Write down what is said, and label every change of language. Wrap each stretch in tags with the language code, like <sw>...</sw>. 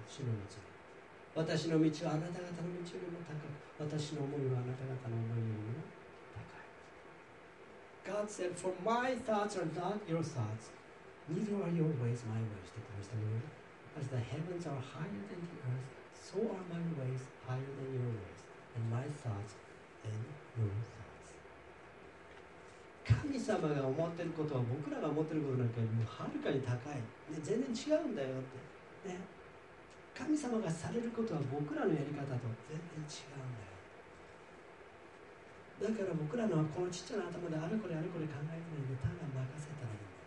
<ja>主の道は。私の道はあなた方の道よりも高く。私の思いはあなた方の思いよりも高い。</ja> <en>God said, For my thoughts are not your thoughts. Neither are your ways my ways, declares the Lord. As the heavens are higher than the earth, so are my ways higher than your ways, and my thoughts than your thoughts.</en> <ja>神様が思ってることは僕らが思ってることなんかよりもはるかに高い、ね、全然違うんだよって、ね、神様がされることは僕らのやり方と全然違うんだよ。だから僕らのはこのちっちゃな頭であれこれあれこれ考えてないで、ただ任せたらいい。</ja>